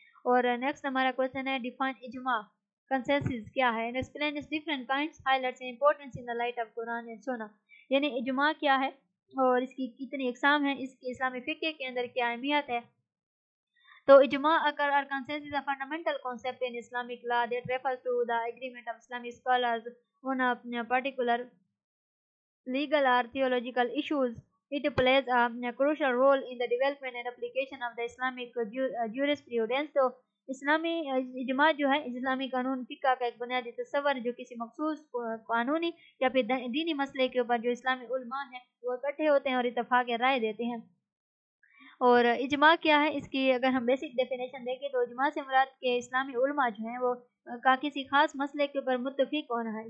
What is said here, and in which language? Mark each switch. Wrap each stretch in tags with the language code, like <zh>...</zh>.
<ur>اور نیکسٹ ہمارا کوشچن ہے,</ur> <en>define اجماع consensus کیا ہے and explain its different kinds highlights and importance in the light of Quran and Sunnah,</en> <ur>یعنی اجماع کیا ہے اور اس کی کتنی اقسام ہیں, اس کی اسلامی فقہ کے اندر کیا اہمیت ہے.</ur> <en>تو اجماع اکر اور consensus is a fundamental concept in Islamic law that refers to the agreement of اسلامی scholars on a particular legal or theological issues, it plays a crucial role in the development and application of the Islamic jurisprudence.</en> <ur>تو اسلامی اجماع جو ہے اسلامی قانون فقہ کا ایک بنیادی تصور جو کسی مخصوص قانونی یا پھر دینی مسئلے کے اوپر جو اسلامی علماء ہیں وہ اکٹھے ہوتے ہیں اور اتفاق رائے دیتے ہیں. اور اجماع کیا ہے, اس کی اگر ہم بیسک ڈیفینیشن دیکھیں تو اجماع سے مراد کہ اسلامی علماء جو ہیں وہ کا کسی خاص مسئلے کے اوپر متفق ہونا ہے.</ur>